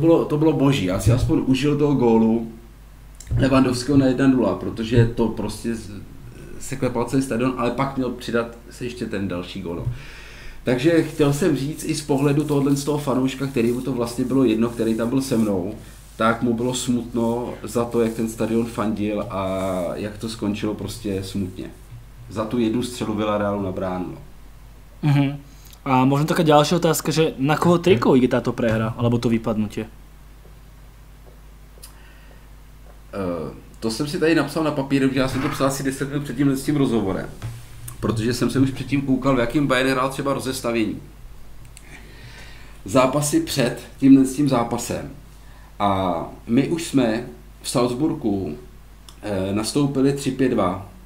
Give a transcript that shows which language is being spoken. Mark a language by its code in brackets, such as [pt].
[cs] To bylo boží, já si aspoň užil toho gólu Lewandowského na 1-0, protože to prostě se klepal celý stadion, ale pak měl přidat se ještě ten další gól. Takže chtěl jsem říct i z pohledu tohohle z toho fanouška, který mu to vlastně bylo jedno, který tam byl se mnou, tak mu bylo smutno za to, jak ten stadion fandil a jak to skončilo prostě smutně. Za tu jednu střelu Villarrealu na bránu. Mm-hmm. [sk] A možno taká ďalšia otázka, že na koho trikov ide táto prehra, alebo to vypadnutie? [cs] To jsem si tady napsal na papíru, že já jsem to psal asi 10 minut předtím s tím rozhovorem. Protože jsem se už předtím koukal, v jakým Bayern hrál třeba rozestavění. Zápasy před tímhle s tím zápasem. A my už jsme v Salzburku nastoupili 3-5-2.